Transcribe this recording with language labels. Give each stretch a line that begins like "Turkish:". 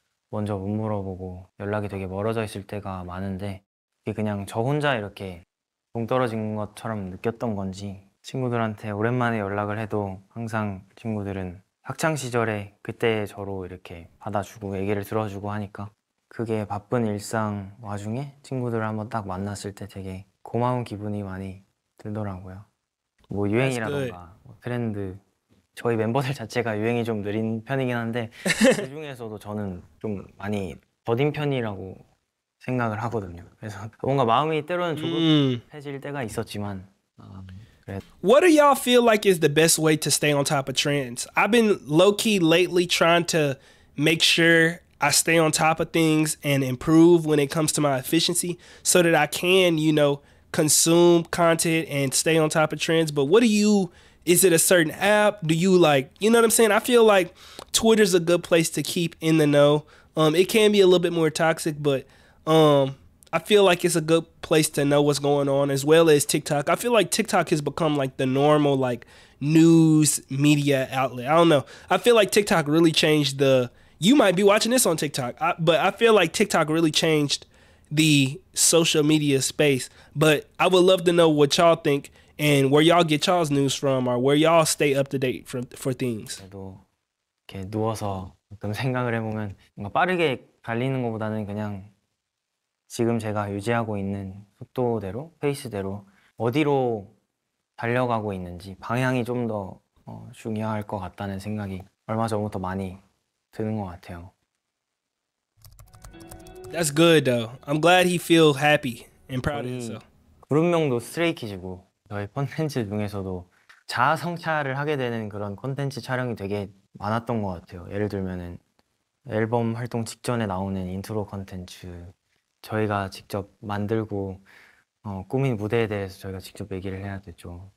Korean: 먼저 못 물어보고 연락이 되게 멀어져 있을 때가 많은데 이게 그냥 저 혼자 이렇게 동떨어진 것처럼 느꼈던 건지 친구들한테 오랜만에 연락을 해도 항상 친구들은 학창시절에 그때의 저로 이렇게 받아주고 얘기를 들어주고 하니까 그게 바쁜 일상 와중에 친구들을 한번 딱 만났을 때 되게 고마운 기분이 많이 들더라고요. 뭐 유행이라던가 뭐 트렌드 저희 멤버들 자체가 유행이 좀 느린 편이긴 한데 그 중에서도 저는 좀 많이 더딘 편이라고 생각을 하거든요. 그래서 뭔가 마음이 때로는 조급해질 때가 있었지만
English: What do y'all feel like is the best way to stay on top of trends? I've been low-key lately trying to make sure I stay on top of things and improve when it comes to my efficiency so that I can, you know, consume content and stay on top of trends. But what do you... Is it a certain app? Do you like, you know what I'm saying? I feel like Twitter's a good place to keep in the know. It can be a little bit more toxic, but I feel like it's a good place to know what's going on, as well as TikTok. I feel like TikTok has become like the normal like news media outlet. I don't know. I feel like TikTok really changed the, you might be watching this on TikTok, but I feel like TikTok really changed the social media space. But I would love to know what y'all think. And where y'all get y'all's news from, or where y'all stay up to date for things?
Korean: 그래도 이렇게 누워서 좀 생각을 해보면 뭔가 빠르게 달리는 것보다는 그냥 지금 제가 유지하고 있는 속도대로, 페이스대로 어디로 달려가고 있는지 방향이 좀 더 중요할 것 같다는 생각이 얼마 전부터 많이 드는 것 같아요.
English: That's good though. I'm glad he feel happy and proud of himself.
Korean: 그룹명도 스트레이키즈고. 저희 콘텐츠 중에서도 자아 성찰을 하게 되는 그런 콘텐츠 촬영이 되게 많았던 것 같아요. 예를 들면은 앨범 활동 직전에 나오는 인트로 콘텐츠 저희가 직접 만들고 꾸민 무대에 대해서 저희가 직접 얘기를 해야 되죠.